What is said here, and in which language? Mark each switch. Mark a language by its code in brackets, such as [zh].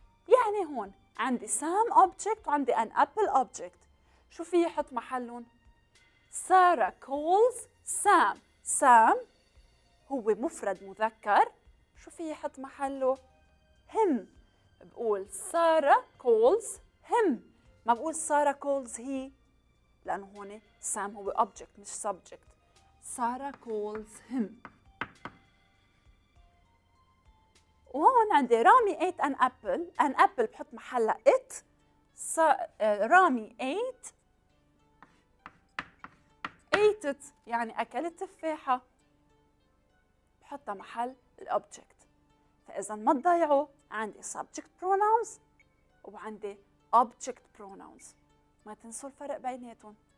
[ar] يعني هون عندي سام أوبجكت وعندي [en] an apple [ar] أوبجكت شو في يحط محلهم؟ [en] Sarah calls Sam. [ar] سام هو مفرد مذكر شو في يحط محله؟ him بقول سارة [en] calls him [ar] ما بقول سارة [en] calls he [ar] لأنه هون سام هو object مش subject. [en] Sarah calls him [ar] وهون عندي [en] Rami ate an apple. [ar] an apple بحط محلها it رامي [en] ate it [ar] يعني أكل التفاحة بحطها محل الobject. فإذاً ما تضيعوا عندي subject pronouns وعندي object pronouns ما تنسوا الفرق بيناتهم.